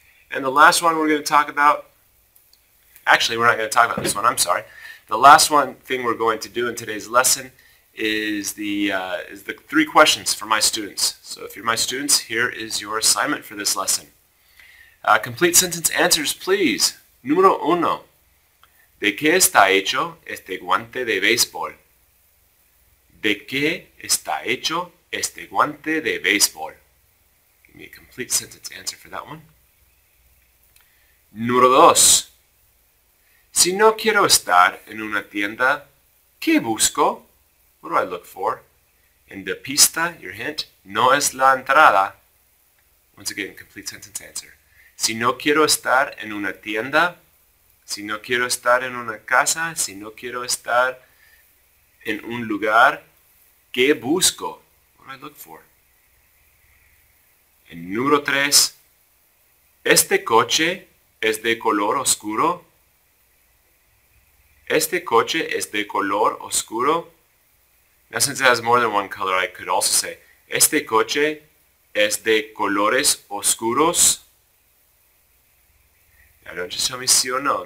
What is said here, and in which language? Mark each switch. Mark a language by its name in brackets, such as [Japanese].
[English] And the last one we're going to talk about, actually, we're not going to talk about this one, I'm sorry. The last one thing we're going to do in today's lesson is the three questions for my students. So if you're my students, here is your assignment for this lesson. Complete sentence answers, please. [Spanish] Número uno, ¿de qué está hecho este guante de béisbol? ¿De qué está hecho este guante de béisbol? [English] Give me a complete sentence answer for that one. [Spanish] Número dos, si no quiero estar en una tienda, ¿qué busco? [English] What do I look for? And the pista, your hint, [Spanish] no es la entrada. [English] Once again, complete sentence answer. [Spanish] Si no quiero estar en una tienda, si no quiero estar en una casa, si no quiero estar en un lugar, ¿qué busco? [English] What do I look for? [Spanish] En número tres, ¿este coche es de color oscuro? ¿Este coche es de color oscuro? [English] Now, since it has more than one color, I could also say, [Spanish] ¿este coche es de colores oscuros? [English] Now, don't just tell me [Spanish] sí o no.